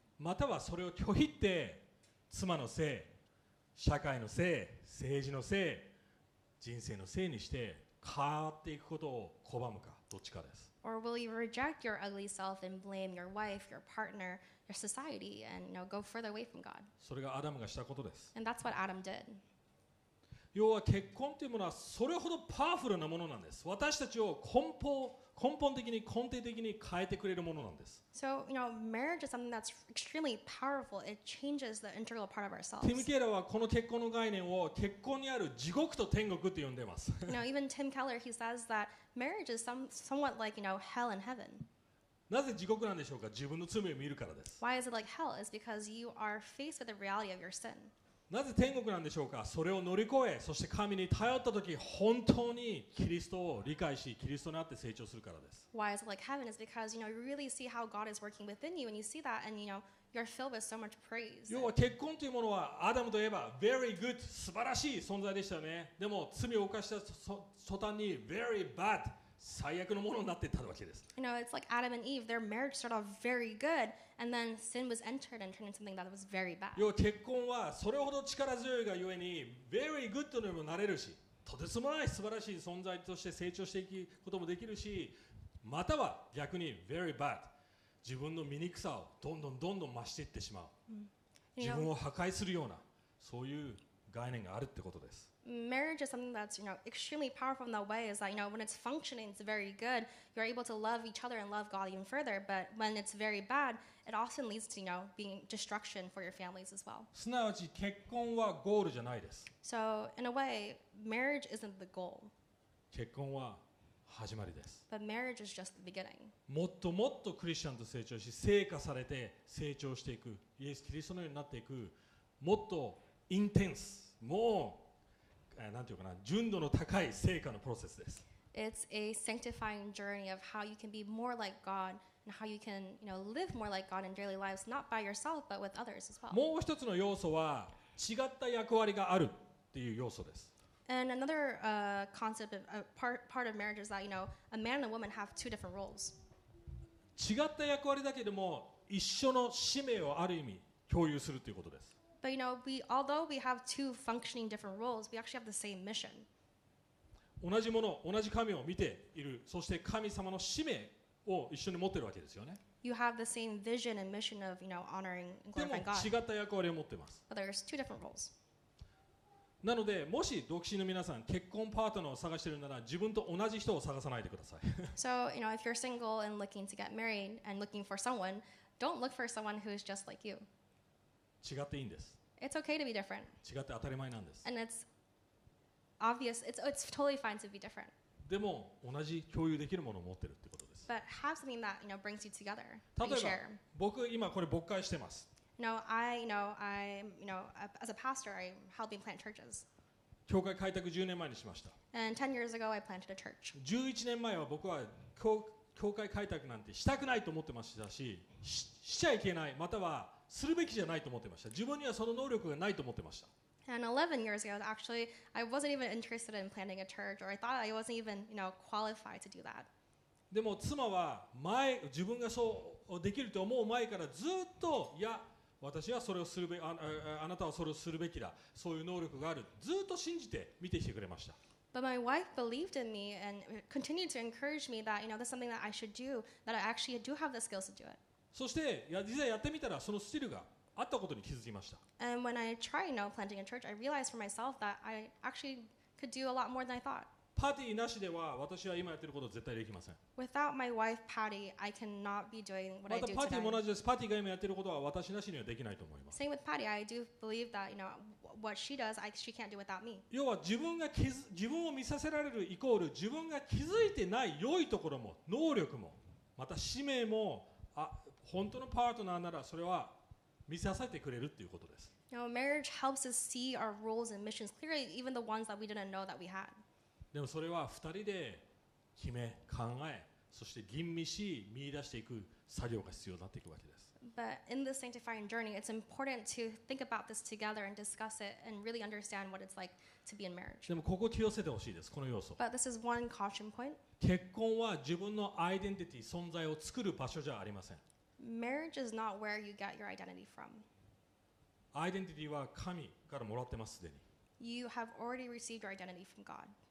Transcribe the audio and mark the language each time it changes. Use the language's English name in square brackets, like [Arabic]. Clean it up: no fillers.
[Japanese] またはそれを拒否って、妻のせい、社会のせい、政治のせい、人生のせいにして、変わっていくことを拒むか、どっちかです。 [English] Or will you reject your ugly self and blame your wife, your partner, your society, and you know, go further away from God? [Japanese] それがアダムがしたことです。 [English] And that's what Adam did. [Japanese] 要は結婚というものはそれほどパワフルなものなんです。私たちを根本的に根底的に変えてくれるものなんです。 [English] So, you know, marriage is something that's extremely powerful. It changes the integral part of ourselves. [Japanese] Tim Keller はこの結婚の概念を結婚にある地獄と天国と呼んでます。 [English] You know, even Tim Keller, he says that marriage is somewhat like, you know, hell and heaven. [Japanese] なぜ地獄なんでしょうか？自分の罪を見るからです。 [English] Why is it like hell? It's because you are faced with the reality of your sin. [Japanese] なぜ天国なんでしょうか？それを乗り越え、そして神に頼ったとき、本当にキリストを理解し、キリストになって成長するからです。 [English] Why is it like heaven? It's because, you know, you really see how God is working within you, and you see that, and you know, you're filled with so much praise. [Japanese] 要は結婚というものは、アダムといえば、 [English] very good、 [Japanese] 素晴らしい存在でしたよね。でも、罪を犯した途端に、 [English] very bad、 [Japanese] 最悪のものになっていったわけです。 [English] You know, it's like Adam and Eve, their marriage started off very good, and then sin was entered and turned into something that was very bad. [Japanese] 要は結婚はそれほど力強いがゆえに、 [English] very good [Japanese] にもなれるし、とてつもない素晴らしい存在として成長していくこともできるし、または逆に [English] very bad、 [Japanese] 自分の醜さをどんどんどんどん増していってしまう。自分を破壊するような、そういう概念があるってことです。 [English] Marriage is something that's, you know, extremely powerful in that way is that, you know, when it's functioning, it's very good. You're able to love each other and love God even further. But when it's very bad, it often leads to, you know, being destruction for your families as well. [Japanese] すなわち結婚はゴールじゃないです。 [English] So, in a way, marriage isn't the goal. [Japanese] 結婚は始まりです。 [English] But marriage is just the beginning. [Japanese] もっともっとクリスチャンと成長し、聖化されて成長していく。イエス・キリストのようになっていく。もっとインテンス。もう。なんていうかな、純度の高い成果のプロセスです。 [English] It's a sanctifying journey of how you can be more like God and how you can, you know, live more like God in daily lives, not by yourself, but with others as well. [Japanese] もう一つの要素は、違った役割があるっていう要素です。 [English] And another concept of part of marriage is that, you know, a man and a woman have two different roles. [Japanese] 違った役割だけでも一緒の使命をある意味共有するということです。 [English] But you know, we, although we have two functioning different roles, we actually have the same mission. [Japanese] 同じもの、同じ神を見ている、そして神様の使命を一緒に持っているわけですよね。 [English] You have the same vision and mission of, you know, honoring and glorifying God. [Japanese] でも違った役割を持っています。 [English] But there's two different roles. [Japanese] なので、もし独身の皆さん、結婚パートナーを探しているなら、自分と同じ人を探さないでください。 [English] So, you know, if you're single and looking to get married and looking for someone, don't look for someone who's just like you. [Japanese] 違っていいんです。 [English] It's okay to be different. [Japanese] 違って当たり前なんです。 [English] And it's obvious. It's totally fine to be different. [Japanese] でも同じ共有できるものを持ってるってことです。 [English] But have something that, you know, brings you together. [Japanese] 例えば、僕今これ牧会してます。 [English] No, I, you know, I, you know, as a pastor, I'm helping plant churches. [Japanese] 教会開拓10年前にしました。 [English] And 10 years ago, I planted a church. [Japanese] 11年前は僕は教会開拓なんてしたくないと思ってましたし、しちゃいけない、またはするべきじゃないと思ってました。自分にはその能力がないと思ってました。 [English] And 11 years ago, actually, I wasn't even interested in planting a church, or I thought I wasn't even, you know, qualified to do that. [Japanese] でも妻は前、自分がそうできると思う前からずっと、いや、私はそれをするべき、あなたはそれをするべきだ、そういう能力がある、ずっと信じて見てきてくれました。 [English] But my wife believed in me and continued to encourage me that, you know, this is something that I should do, that I actually do have the skills to do it. [Japanese] そして実際やってみたらそのスキルがあったことに気づきました。 [English] And when I tried now planting a church, I realized for myself that I actually could do a lot more than I thought. [Japanese] パティなしでは私は今やってることは絶対できません。 [English] Without my wife Patty, I cannot be doing what I do today. [Japanese] またパティも同じです。パティが今やってることは私なしにはできないと思います。 [English] Same with Patty, I do believe that, you know, what she does, she can't do without me. [Japanese] 要は自分を見させられるイコール自分が気づいてない良いところも能力もまた使命も本当のパートナーならそれは見させてくれるっていうことです。 [English] You know, marriage helps us see our roles and missions clearly, even the ones that we didn't know that we had. [Japanese] でもそれは2人で決め、考え、そして吟味し、見出していく作業が必要になっていくわけです。 [English] But in this sanctifying journey, it's important to think about this together and discuss it and really understand what it's like to be in marriage. [Japanese] でもここ気をつけてほしいです、この要素。 [English] But this is one caution point. [Japanese] 結婚は自分のアイデンティティ、存在を作る場所じゃありません。 [English] Marriage is not where you get your identity from. [Japanese] Identity は神からもらってますすでに。 [English] You have already received your identity from God.